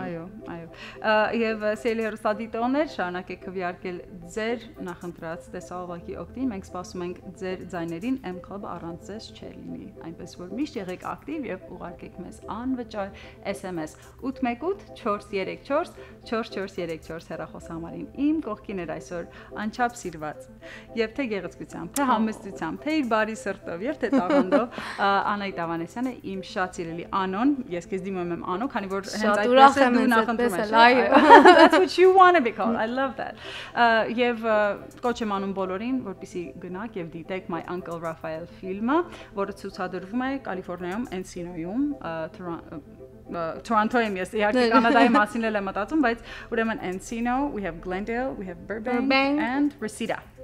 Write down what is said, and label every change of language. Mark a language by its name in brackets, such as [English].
[Armenian] Այո, այո։ Եվ սիրելի հեռուստադիտողներ, շարունակեք քվեարկել ձեր նախընտրած տեսահովակի օգտին։ Մենք սպասում ենք ձեր ձայներին, MCLUB առանց ձեզ չէ լինի։ Այնպես որ միշտ եղեք ակտիվ եւ ուղարկեք մեզ անվճար SMS 818-434-4434 հեռախոսահամարին։ Իմ կողքին էր այսօր անչափ սիրված, եւ թե գեղեցկությամբ, թե համեստությամբ, թե իր բարի սրտով, եւ թե տաղանդով Անահիտ Ավանեսյանը, իմ շատ սիրելի Անոն, ես քեզ դիմում եմ Անո, քանի որ հենց այդ պեսը դու նախընտրում ես, այո, [English] that's what you want to be called, I love that. [Armenian] Եվ կոչեմ անում բոլորին, որպեսզի գնաք եւ դիտեք My Uncle Raphael ֆիլմը, որը ցուցադրվում է Կալիֆոռնիայում, Ենսինոյում, Toronto-ում, ես իհարկե Կանադայի մասին էլ եմ մտածում, բայց ուրեմն Ենսինո, [English] we have Glendale, we have Burbank and Reseda.